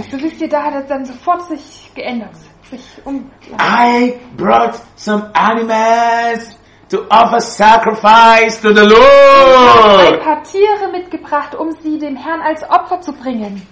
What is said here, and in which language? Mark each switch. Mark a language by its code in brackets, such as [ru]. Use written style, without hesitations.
[de] Also wisst ihr, da hat er dann sofort sich geändert, sich um. [en] I brought some animals to offer sacrifice to the Lord. [de] Ich habe ein paar Tiere mitgebracht, um sie dem Herrn als Opfer zu bringen.